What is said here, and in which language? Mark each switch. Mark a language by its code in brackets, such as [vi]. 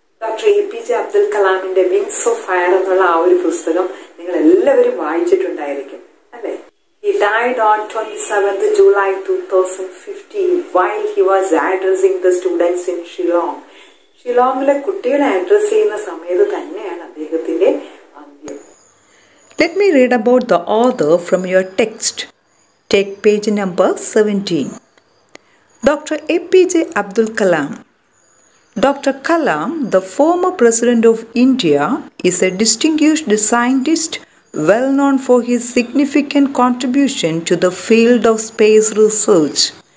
[ml] Doctor A P J Abdul കലാമിന്റെ wings of fire എന്നുള്ള ആ ഒരു പുസ്തകം നിങ്ങൾ എല്ലാവരും വായിച്ചിട്ടുണ്ടായിരിക്കും അല്ലെ. [en] He died on 27th July 2015 while he was addressing the students in Shillong. [ml] ഷിലോങ്ങിലെ കുട്ടികളെ അഡ്രസ് ചെയ്യുന്ന സമയത്ത് തന്നെയാണ് അദ്ദേഹത്തിന്റെ. [en] Let me read about the author from your text. Take page number 17. Dr. APJ Abdul Kalam. Dr. Kalam, the former president of India, is a distinguished scientist well known for his significant contribution to the field of space research.